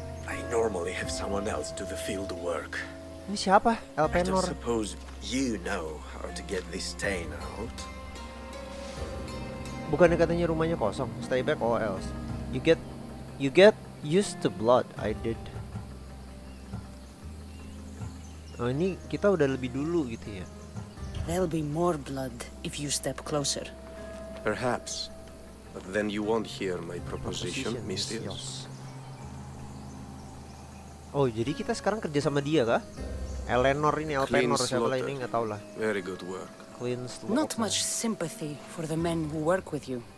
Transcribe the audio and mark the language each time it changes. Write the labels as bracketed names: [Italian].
[English] I normally have someone else do the field work. [Indonesian] Ini siapa? Elpenor. [English] I suppose you know how to get this stain out. [Indonesian] Bukannya katanya rumahnya kosong? [English] Stay back or else. You get used to blood. I did. [Indonesian] Oh, ini kita udah lebih dulu gitu ya. [English] There'll be more blood if you step closer. Perhaps. But then you won't hear my proposition, Mistyos. [Indonesian] Oh, jadi kita sekarang kerja sama dia kah? Eleanor ini, Elpenor, siapa lah ini, nggak tahu lah. [English] Very good work. Clean slot. Not much sympathy for the men who work with you.